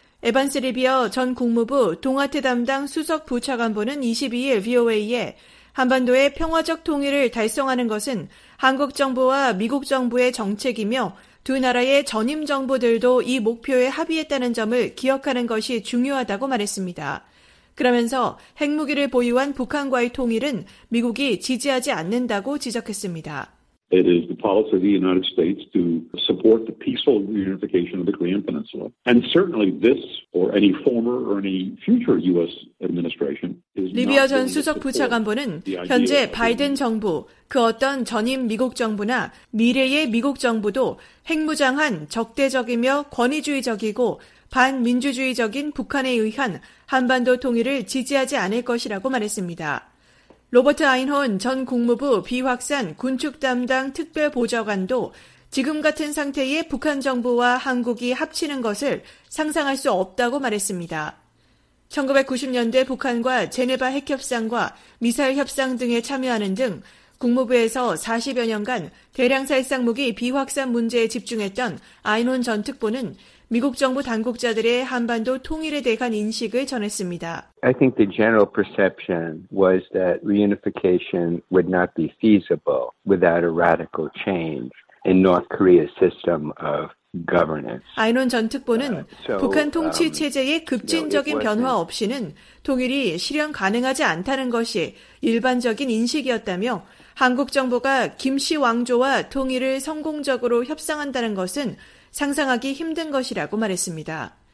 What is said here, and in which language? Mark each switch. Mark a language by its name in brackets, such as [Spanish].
[Korean] 에반스 리비어 전 국무부 동아태 담당 수석 부차관보는 22일 VOA에 한반도의 평화적 통일을 달성하는 것은 한국 정부와 미국 정부의 정책이며 두 나라의 전임 정부들도 이 목표에 합의했다는 점을 기억하는 것이 중요하다고 말했습니다. 그러면서 핵무기를 보유한 북한과의 통일은 미국이 지지하지 않는다고 지적했습니다. [English] It is the policy of the United States to support the peaceful reunification of the Korean Peninsula. And certainly this or any former or any future U.S. administration is not. [Korean] 리비어 전 수석 부차관보는 현재 바이든 정부, 그 어떤 전임 미국 정부나 미래의 미국 정부도 핵무장한 적대적이며 권위주의적이고 반민주주의적인 북한에 의한 한반도 통일을 지지하지 않을 것이라고 말했습니다. 로버트 아인혼 전 국무부 비확산 군축 담당 특별보좌관도 지금 같은 상태에 북한 정부와 한국이 합치는 것을 상상할 수 없다고 말했습니다. 1990년대 북한과 제네바 핵협상과 미사일 협상 등에 참여하는 등 국무부에서 40여 년간 대량 살상 무기 비확산 문제에 집중했던 아인혼 전 특보는 미국 정부 당국자들의 한반도 통일에 대한 인식을 전했습니다. [English] I think the general perception was that reunification would not be feasible without a radical change in North Korea's system of [Korean] 아인혼 전 특보는 북한 통치 체제의 급진적인 변화 없이는 통일이 실현 가능하지 않다는 것이 일반적인 인식이었다며 한국 정부가 김씨 왕조와 통일을 성공적으로 협상한다는 것은 상상하기 힘든 것이라고 말했습니다.